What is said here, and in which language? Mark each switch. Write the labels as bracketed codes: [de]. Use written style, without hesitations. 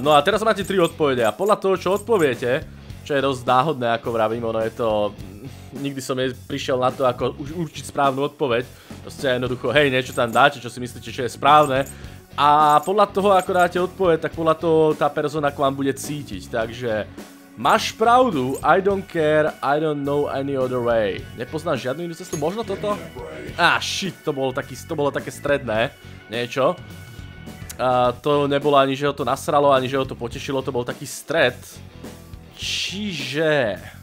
[sk] No a teraz máte tri odpovede a podľa toho, čo odpoviete, čo je dosť náhodné, ako vravím, ono je to... Nikdy som neprišiel na to, ako určiť správnu odpoveď. Proste jednoducho, hej, niečo tam dáte, čo si myslíte, čo je správne. A podľa toho, ako dáte odpoveď, tak podľa toho tá persona k vám bude cítiť. Takže, máš pravdu, [en] I don't care, I don't know any other way. [sk] Nepoznáš žiadnu inú cestu, možno toto? [en] Ah, shit, [sk] to bolo také stredné, niečo. To nebolo ani, že ho to nasralo, ani že ho to potešilo, to bol taký stret. Čiže...